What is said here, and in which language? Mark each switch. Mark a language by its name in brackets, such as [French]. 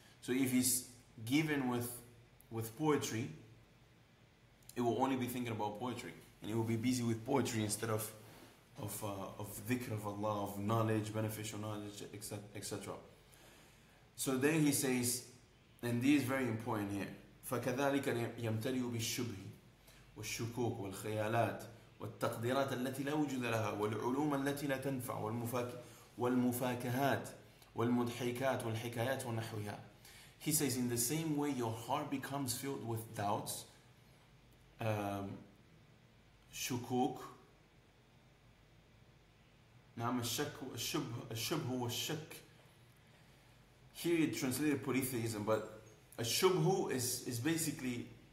[English] So if it's given with poetry, it will only be thinking about poetry, and it will be busy with poetry instead of dhikr of Allah, of knowledge, beneficial knowledge, etc. So then he says, and this is very important here. [Arabic] فكذلك يمتلئ بالشبه والشكوك والخيالات والتقديرات التي لا وجود لها والعلوم التي لا تنفع والمفاكهات والمضحكات والحكايات ونحوها. [English] He says in the same way your heart becomes filled with doubts, [Arabic] شكوك, نعم الشك الشبه الشبه والشك. [English] Here it translated polytheism, but a shubhu is basically